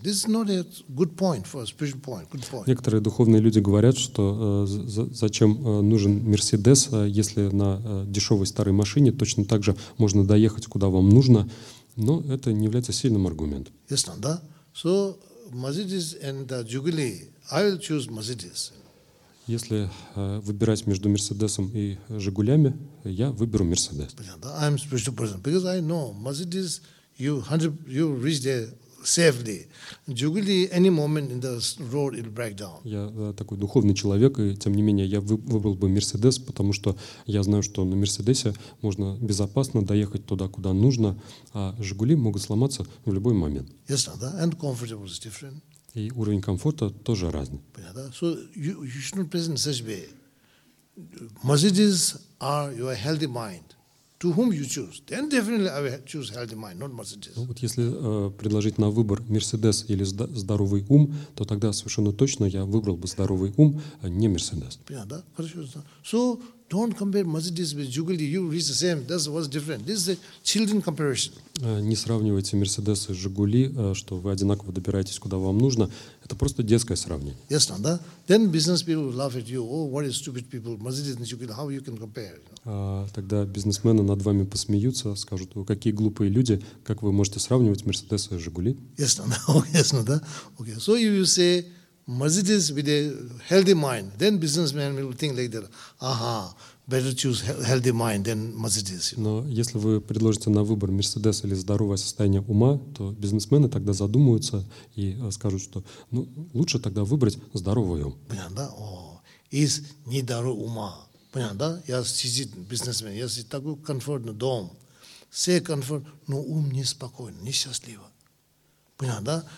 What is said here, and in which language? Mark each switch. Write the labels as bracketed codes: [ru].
[en] This is not a good point for a spiritual point. Good point. [ru] Некоторые духовные люди говорят, что зачем нужен Мерседес, если на дешевой старой машине точно так же можно доехать, куда вам нужно, но это не является сильным аргументом. [en] Yes, no, [ru] да? [en] So, Mercedes and Jugali, I will choose Mercedes. [ru] Если выбирать между Мерседесом и Жигулями, я выберу Мерседес. [en] I'm a spiritual person, because I know Mercedes... You reach there safely. Jugali, any moment in the road, it'll break down. [ru] Я такой духовный человек, и тем не менее я выбрал бы Мерседес, потому что я знаю, что на Мерседесе можно безопасно доехать туда, куда нужно, а Жигули могут сломаться в любой момент. [en] Yes, [ru] да. [en] And comfortable is different. [ru] И уровень комфорта тоже разный. Понятно. [en] So you should not present such way. Mercedes are your healthy mind. To whom you choose, then definitely I will choose healthy mind, not Mercedes. [ru] Ну, вот если предложить на выбор Мерседес или здоровый ум, то тогда совершенно точно я выбрал бы здоровый ум, а не Мерседес. Понятно, да? Хорошо. [en] So don't compare Mercedes with Jugali. You reach the same. That's what's different. This is a children comparison. [ru] Не сравнивайте Мерседес и Жигули, что вы одинаково добираетесь, куда вам нужно. Это просто детское сравнение. [en] Yes, no, [ru] да? [en] Then business people will laugh at you. Oh, what are stupid people, Mercedes and Jugali, how you can compare? [ru] Тогда бизнесмены над вами посмеются, скажут, какие глупые люди, как вы можете сравнивать Mercedes и Жигули? [en] Yes, no, [ru] да? [en] Yes, no, да? Okay. So if you say Mercedes with a healthy mind, then businessmen will think like that. Aha, better choose healthy mind than Mercedes. [ru] Но если вы предложите на выбор Mercedes или здоровое состояние ума, то бизнесмены тогда задумаются и скажут, что ну, лучше тогда выбрать здоровый ум. Понятно, да? Из недорого ума. Понятно, да? Я сидит бизнесмен, я сидит такой комфортный дом, все комфорт, но ум неспокойный, несчастливый. Понятно, да?